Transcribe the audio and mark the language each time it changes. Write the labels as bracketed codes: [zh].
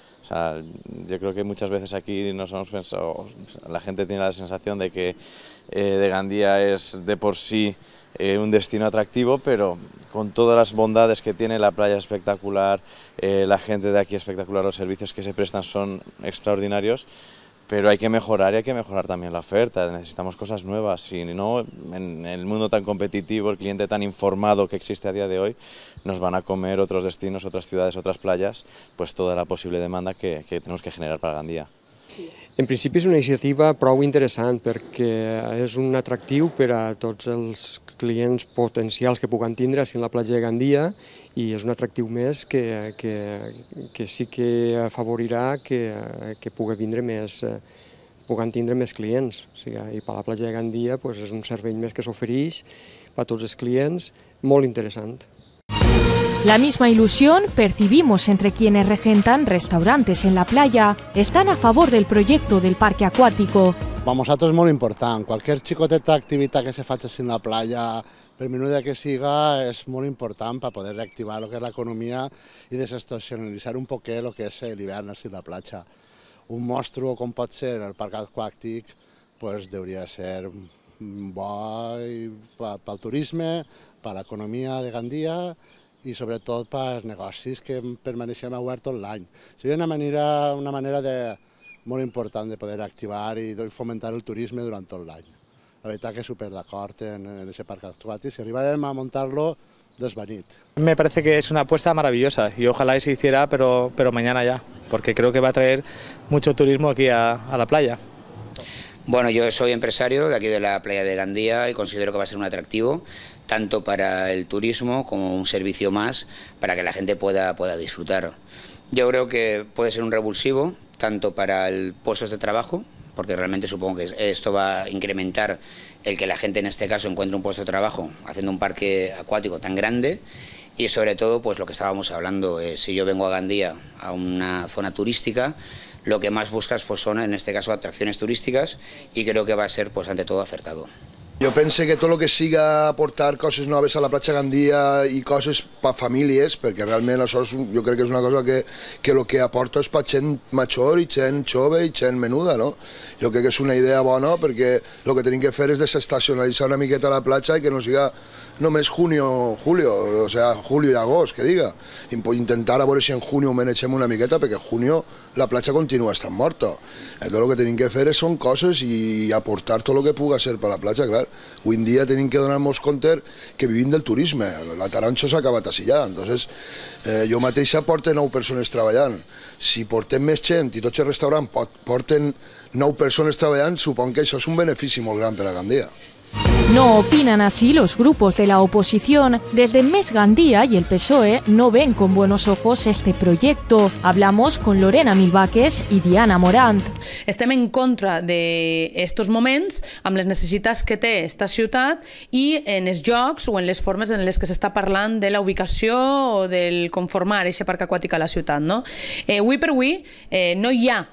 [es] O sea, yo creo que muchas veces aquí nos hemos pensado, la gente tiene la sensación de que de Gandía es de por sí un destino atractivo, pero con todas las bondades que tiene, la playa espectacular, la gente de aquí espectacular, los servicios que se prestan son extraordinarios, pero hay que mejorar y hay que mejorar también la oferta, necesitamos cosas nuevas. Si no, en el mundo tan competitivo, el cliente tan informado que existe a día de hoy, nos van a comer otros destinos, otras ciudades, otras playas, pues toda la posible demanda que tenemos que generar para Gandía. [ca] En principi és una iniciativa prou interessant perquè és un atractiu per a tots els clients potencials que puguen tindre a la platja de Gandia i és un atractiu més que sí que afavorirà que puguen tindre més clients. O sigui, i per a la platja de Gandia pues és un servei més que s'ofereix per a tots els clients, molt interessant. [es] La misma ilusión percibimos entre quienes regentan restaurantes en la playa. Están a favor del proyecto del parque acuático. Para nosotros es muy importante. Cualquier chicoteta actividad que se faça en la playa, [ca] per minuda que siga, [es] es muy importante para poder reactivar lo que es la economía y desestacionalizar un poco lo que es el hivern en la playa. Un monstruo como puede ser el parque acuático, pues debería ser bo para el turismo, para la economía de Gandía, [ca] i sobretot per als negocis que permaneixem obert tot l'any. Seria una manera molt important de poder activar i fomentar el turisme durant tot l'any. La veritat que super d'acord en aquest parc actuat i si arribarem a muntar-lo, desvenit. [es] Me parece que es una apuesta maravillosa y ojalá se hiciera, pero mañana ya, porque creo que va a traer mucho turismo aquí a la playa. Bueno, yo soy empresario de aquí de la playa de Gandía y considero que va a ser un atractivo tanto para el turismo como un servicio más para que la gente pueda disfrutar. Yo creo que puede ser un revulsivo tanto para el puestos de trabajo, porque realmente supongo que esto va a incrementar el que la gente en este caso encuentre un puesto de trabajo haciendo un parque acuático tan grande, y sobre todo pues lo que estábamos hablando, si yo vengo a Gandía, a una zona turística, lo que más buscas pues son en este caso atracciones turísticas, y creo que va a ser pues ante todo acertado. [ca] Jo penso que tot el que siga aportar coses noves a la platja Gandia i coses per famílies, perquè realment això jo crec que és una cosa que el que aporta és per gent major i gent jove i gent menuda, no? Jo crec que és una idea bona perquè el que hem de fer és desestacionalitzar una miqueta la platja i que no siga només [es] junio, julio, o sea, julio [ca] i agost, que diga. Intentar a veure si en junio ho manegem una miqueta, perquè en junio la platja continua estant morta. Tot el que hem de fer són coses i aportar tot el que pugui ser per la platja, clar. Avui en dia hem de donar-nos compte que vivim del turisme. La taronja s'ha acabat així ja. Entonces, jo mateix porto 9 persones treballant. Si portem més gent i tots els restaurants porten 9 persones treballant, supon que això és un benefici molt gran per a Gandia. [es] No opinan así los grupos de la oposición. Desde Més Gandia y el PSOE no ven con buenos ojos este proyecto. Hablamos con Lorena Milbaques y Diana Morant. [ca] Estem en contra d'aquests moments, amb les necessitats que té aquesta ciutat i en els llocs o en les formes en les que s'està parlant de la ubicació o del conformar aquest parc aquàtic a la ciutat. Avui per avui no hi ha